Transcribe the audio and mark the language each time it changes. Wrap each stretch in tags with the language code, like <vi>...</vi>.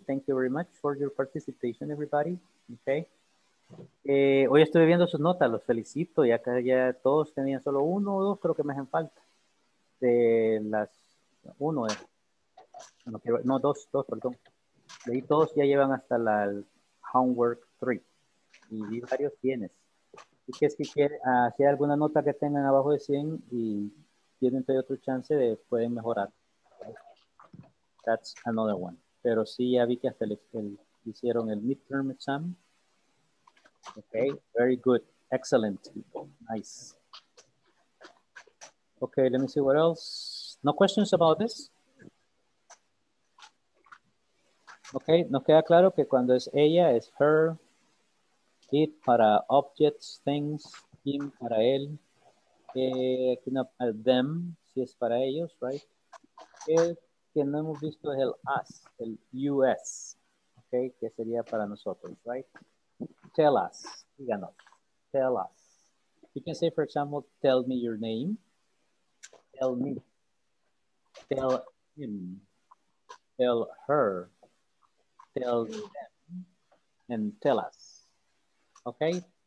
<en>Thank you very much for your participation, everybody.</en> <es>Okay. Hoy estuve viendo sus notas. Los felicito. Ya todos tenían solo uno o dos. Creo que me hacen falta. De las uno. Dos, perdón. Leí todos. Ya llevan hasta la homework 3. Y vi varios tienes. Y que si hay alguna nota que tengan abajo de 100 y tienen todavía otro chance de pueden mejorar.</es> <en>That's another one.</en> <es>Pero sí, ya vi que hasta el hicieron el midterm exam.</es> <en>Okay, very good. Excellent, people. Nice. Okay, let me see what else. No questions about this?</en> <es>Okay, nos queda claro que cuando es ella, es her. It para</es> <en>objects, things.</en> <es>Him para él. aquí no, them, si es para ellos, right? El que no hemos visto es el us, el us, okay, que sería para nosotros, right?</es> <en>Tell us,</en> <es>díganos,</es> <en>tell us. You can say, for example, tell me your name, tell me, tell him, tell her, tell them, and tell us, okay?</en>